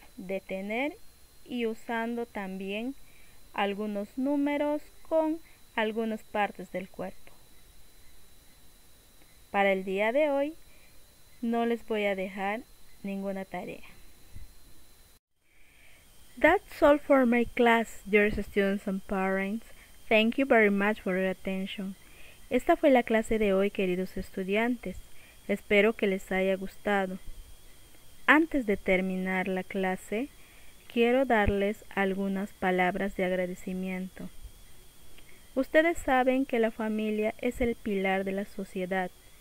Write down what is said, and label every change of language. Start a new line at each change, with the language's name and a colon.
Spanish: Detener y usando también algunos números con algunas partes del cuerpo. Para el día de hoy no les voy a dejar ninguna tarea.
English: That's all for my class, dear students and parents. Thank you very much for your attention.
Spanish: Esta fue la clase de hoy, queridos estudiantes. Espero que les haya gustado. Antes de terminar la clase, quiero darles algunas palabras de agradecimiento. Ustedes saben que la familia es el pilar de la sociedad.